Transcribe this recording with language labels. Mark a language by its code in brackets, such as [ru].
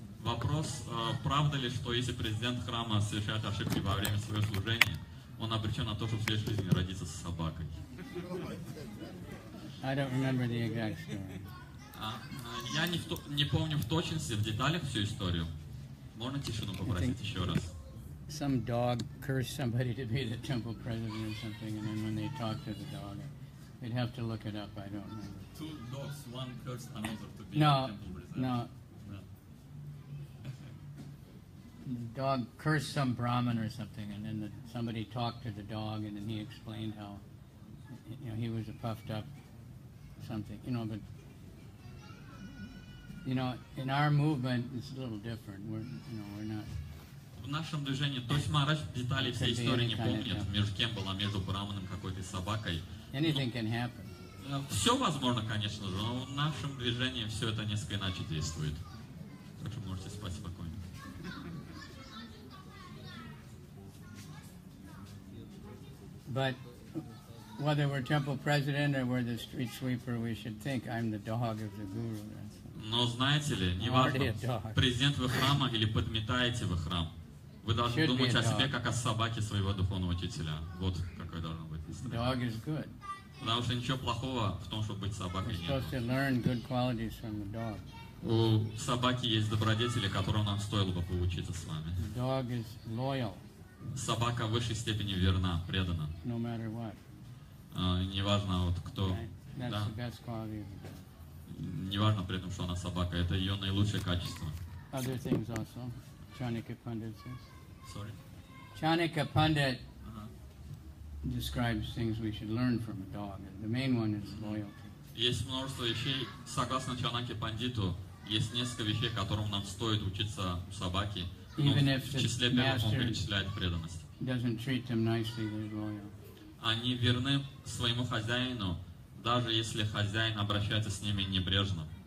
[ru] Вопрос, правда ли, что если президент храма совершает ошибки во время своего служения, он обречен на то, чтобы в следующей жизни родиться с собакой? [en] I don't remember the exact story. [ru] Я не помню в точности, в деталях всю историю. Можно тишину попросить еще раз? [en] Some dog cursed somebody to be the temple president or something, and then when they talk to the dog, they'd have to look it up, I don't remember. Two dogs, one cursed another to be the temple president. No. The dog cursed some Brahmin or something, and then somebody talked to the dog, and then he explained how, you know, he was a puffed up something, you know, but, you know, in our movement, it's a little different. We're, you know, we're not... [ru] В нашем движении, то есть Махарадж детали всей истории не помнит, между кем была, между Брахманом какой-то собакой. [en] Anything can happen. [ru] Все возможно, конечно же, но в нашем движении все это несколько иначе действует. Так что можете спать спокойно. [en] But whether we're temple president or we're the street sweeper, we should think I'm the dog of the guru. [ru] Но знаете ли, неважно, президент вы храма или подметаете вы храм, вы должны думать о себе как о собаке своего духовного учителя. Вот какой должен быть. [en] Dog is good. [ru] Потому что ничего плохого в том, чтобы быть собакой. [en] We're supposed to learn good qualities from the dog. [ru] У собаки есть добродетели, которые нам стоило бы поучиться с вами. [en] The dog is loyal. [ru] Собака в высшей степени верна, предана. [en] No matter what. [ru] Неважно, вот кто. [en] That's the best quality of the dog. [ru] Неважно при этом, что она собака, это ее наилучшее качество. [en] Other things also. Chanika Pandit says. Sorry. Chanika Pandit describes things we should learn from a dog. The main one is loyalty. [ru] Есть множество вещей, согласно Чанаке Пандиту, есть несколько вещей, которым нам стоит учиться у собаки. [en] Even if [ru] в числе первых он перечисляет преданность. [en] Doesn't treat them nicely, they're loyal. [ru] Они верны своему хозяину, даже если хозяин обращается с ними небрежно.